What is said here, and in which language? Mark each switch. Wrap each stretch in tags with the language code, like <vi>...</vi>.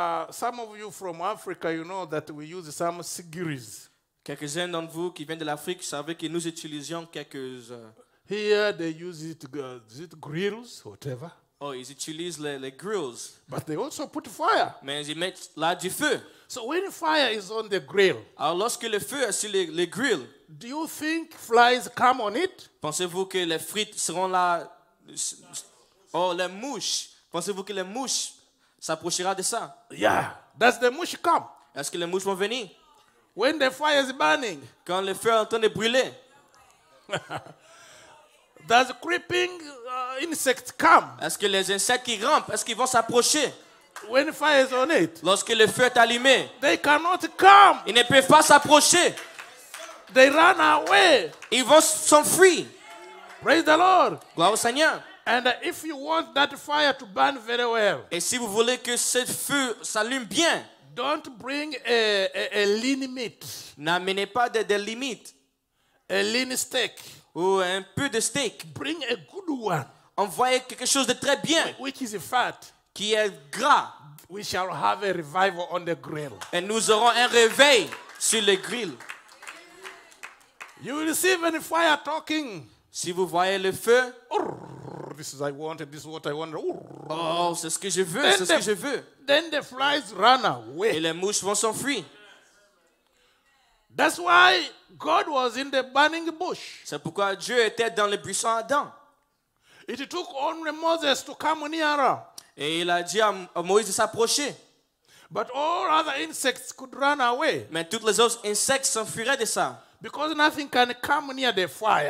<en>Some of you from Africa, you know that we use some sigiris.</en> <fr>Quelques-uns d'entre vous qui viennent de l'Afrique savent que nous utilisions quelques.</fr> <en>Here they use it, is it grills, whatever.</en> <fr>Oh, ils utilisent les grills.</fr> <en>But they also put fire.</en> <fr>Mais ils mettent là du feu.</fr> <en>So when fire is on the grill.</en> <fr>Alors lorsque le feu est sur le grill.</fr> <en>Do you think flies come on it?</en> <fr>Pensez-vous que les frites seront là? Oh, les mouches. Pensez-vous que les mouches s'approchera de ça?</fr> <en>Yeah. Does the mouche come?</en> <fr>Est-ce que les mouches vont venir?</fr> <en>When the fire is burning,</en> <fr>quand le feu est en train de brûler,</fr> <en>does creeping insect come?</en> <fr>Est-ce que les insectes qui rampent, est-ce qu'ils vont s'approcher?</fr> <en>When fire is on it,</en> <fr>lorsque le feu est allumé,</fr> <en>they cannot come.</en> <fr>Ils ne peuvent pas s'approcher.</fr> <en>They run away.</en> <fr>Ils vont s'enfuir.</fr> <en>Praise the Lord.</en> <fr>Gloire au Seigneur.</fr> <en>And if you want that fire to burn very well,</en> <fr>et si vous voulez que ce feu s'allume bien.</fr> <en>Don't bring a lean meat.</en> <fr>N'amenez pas de limites.</fr> <en>A lean steak.</en> <fr>Ou un peu de steak.</fr> <en>Bring a good one.</en> <fr>Envoyez quelque chose de très bien.</fr> <en>Which is fat.</en> <fr>Qui est gras.</fr> <en>We shall have a revival on the grill.</en> <fr>Et nous aurons un réveil sur le grill.</fr> <en>You will see when fire talking.</en> <fr>Si vous voyez le feu.</fr> <en>This is I wanted. This is what I wanted.</en> <fr>Oh, c'est ce que je veux. C'est ce que je veux.</fr> <en>Then the flies run away.</en> <fr>Et les mouches vont s'enfuir.</fr> <en>That's why God was in the burning bush.</en> <fr>C'est pourquoi Dieu était dans le buisson ardent.</fr> <en>It took only Moses to come near.</en> <fr>Et il a dit à Moïse de s'approcher.</fr> <en>But all other insects could run away.</en> <fr>Mais toutes les autres insectes s'enfuiraient de ça.</fr> <en>Because nothing can come near the fire.</en>